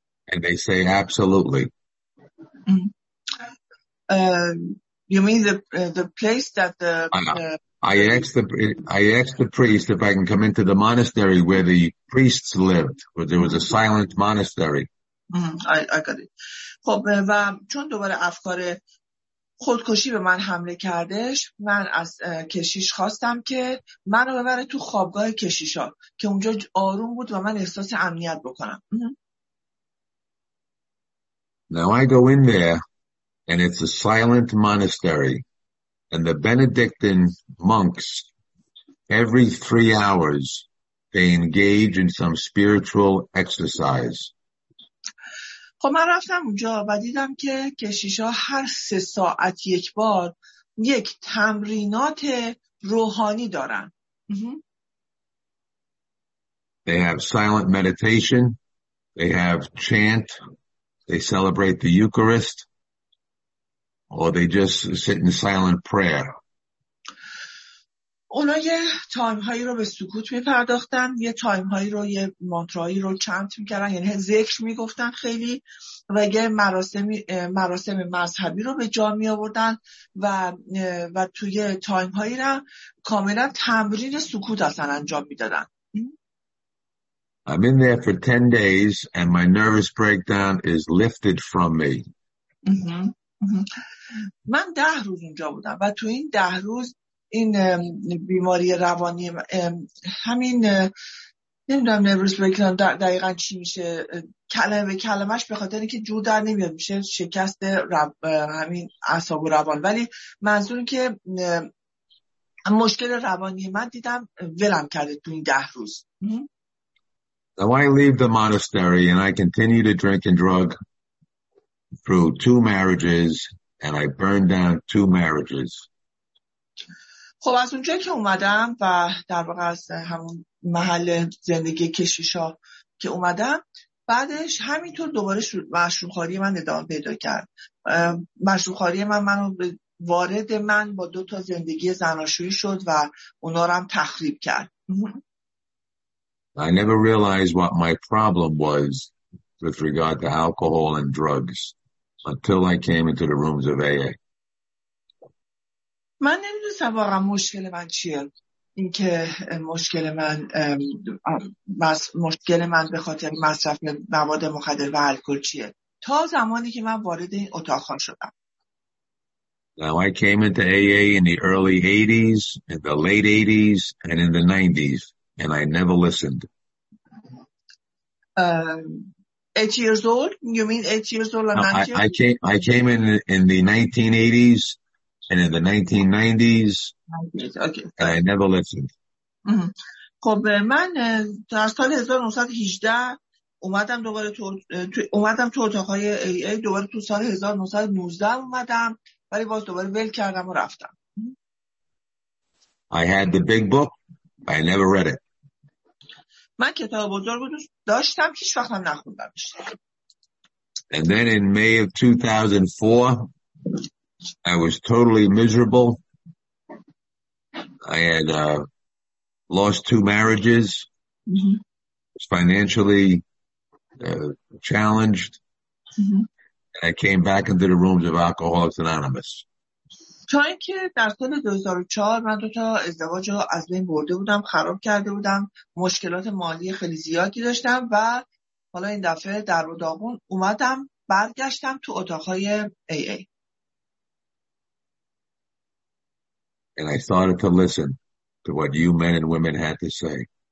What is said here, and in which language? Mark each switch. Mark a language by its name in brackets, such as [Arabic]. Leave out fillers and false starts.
[English] And they say, absolutely. You mean the place that the... I asked the priest if I can come into the monastery where the priests lived, where there was a silent monastery. I got it. [Persian] خب و چون دوباره افکار خودکشی به من حمله کردش، من از کشیش خواستم که منو ببره تو خوابگاه کشیشا که اونجا آروم بود و من احساس امنیت بکنم. [English] Now I go in there and it's a silent monastery and the Benedictine monks every 3 hours they engage in some spiritual exercise. [Persian] خب من رفتم اونجا و دیدم که کشیشا هر 3 ساعت یک بار یک تمرینات روحانی دارن. [English] They have silent meditation. They have chant. They celebrate the Eucharist. Or they just sit in silent prayer. [Persian] اونا یه تایم هایی رو به سکوت میپرداختن، یه تایم هایی رو، یه مانترایی رو چنت میکردن، یعنی ذکر میگفتن خیلی، و یه مراسم مذهبی رو به جا میآوردن و توی تایم هایی رو کاملا تمرین سکوت اصلا انجام میدادن. [English] I'm in there for 10 days and my nervous breakdown is lifted from me. [Persian] من 10 روز اونجا بودم و تو این 10 روز این بیماری روانی همین نمیدونم نروس بکنم دقیقا چی میشه، کلمه کلمهش به خاطر اینکه جور در نمیاد، میشه شکست همین اعصاب و روان، ولی منظور این که مشکل روانی من دیدم ولم کرده تو این 10 روز. [English] Now I leave the monastery and I continue to drink and drug through 2 marriages and I burned down 2 marriages. [Persian] خب از اونجایی که اومدم و در واقع از همون محل زندگی کشیشا که اومدم، بعدش همینطور دوباره مشروب‌خواری من ادامه پیدا کرد. مشروب‌خواری من منو وارد من با 2 تا زندگی زناشویی شد و اونا رو هم تخریب کرد. [English] I never realized what my problem was with regard to alcohol and drugs until I came into the rooms of AA. [Persian] من نمیدونستم واقعا مشکل من چیه، این که مشکل من به خاطر مصرف مواد مخدر و الکل چیه تا زمانی که من وارد این اتاق شدم. [English] Now I came into AA in the early 80s, in the late 80s, and in the 90s, and I never listened. 8 years old? You mean 8 years old? I came in the 1980s. And in the 1990s, okay. I never listened. [Persian] خب من در سال 1918 اومدم دوباره تو اتاقهای AA، دوباره تو سال 1919 اومدم، ولی باز دوباره ول کردم و رفتم. [English] I had the big book, I never read it. [Persian] من کتاب بزرگ رو داشتم، هیچ وقت هم نخوندمش. [English] And then in May of 2004, I was totally miserable. I had lost 2 marriages. Mm-hmm. Was financially challenged. Mm-hmm. I came back into the rooms of Alcoholics Anonymous. [Persian] چون که در سال 2004 من 2 تا ازدواج رو از بین برده بودم، خراب کرده بودم، مشکلات مالی خیلی زیادی داشتم و حالا این دفعه در و داغون اومدم، برگشتم تو اتاقهای AA. [English] And I started to listen to what you men and women had to say.